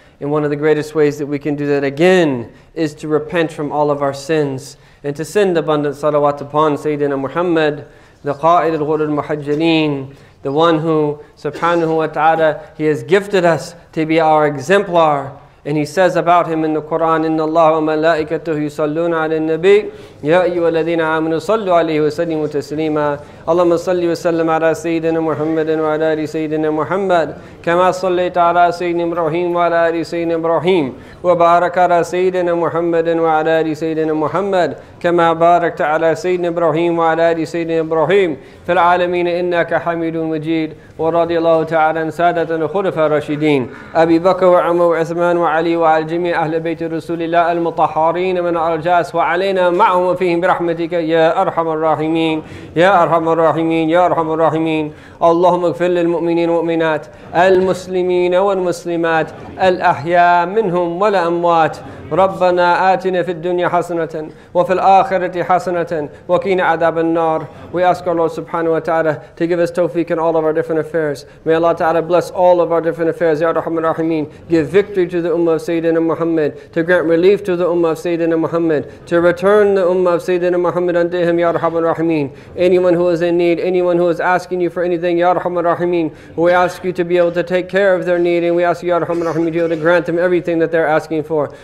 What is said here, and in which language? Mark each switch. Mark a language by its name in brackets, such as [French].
[English] And one of the greatest ways that we can do that again is to repent from all of our sins and to send abundant salawat upon Sayyidina Muhammad, the Qa'id al-Ghur al-Muhajjaleen, the one who, subhanahu wa ta'ala, he has gifted us to be our exemplar And he says about him in the Quran, [Arabic] إِنَّ اللَّهُ وَمَلَائِكَتُهُ يُصَلُّونَ عَلَى النَّبِيِّ يَا أَيُّهَا الَّذِينَ آمَنُوا صَلُّوا عَلَيْهِ وَسَلِّمُوا تَسْلِيمًا اللهم صل وسلم على سيدنا محمد وعلى آل سيدنا محمد كما صليت على سيدنا إبراهيم وعلى آل سيدنا إبراهيم وبارك على سيدنا محمد وعلى آل سيدنا محمد كما باركت على سيدنا إبراهيم وعلى آل سيدنا إبراهيم في العالمين إنك حميد مجيد ورضي الله تعالى عن سادة الخلفاء الراشدين أبي بكر وعمر وعثمان وعلي وعلى جميع أهل بيت رسول الله المطهرين من الأرجاس وعلينا معهم وفيهم برحمتك يا أرحم الراحمين يا أرحم الراحمين يا أرحم الراحمين اللهم اغفر للمؤمنين والمؤمنات المسلمين والمسلمات الأحياء منهم والأموات ربنا آتنا في الدنيا حسنة وفي الآخرة حسنة وقنا عذاب النار [English] We ask our Lord subhanahu wa ta'ala to give us tawfiq in all of our different affairs. May Allah ta'ala bless all of our different affairs. Ya Rahman Rahimeen. Give victory to the Ummah of Sayyidina Muhammad. To grant relief to the Ummah of Sayyidina Muhammad. To return the Ummah of Sayyidina Muhammad unto him. Ya Rahman Rahimeen. Anyone who is in need, anyone who is asking you for anything. Ya Rahman Rahimeen. We ask you to be able to take care of their need. And we ask you, Ya Rahman Rahimeen, to be able to grant them everything that they're asking for.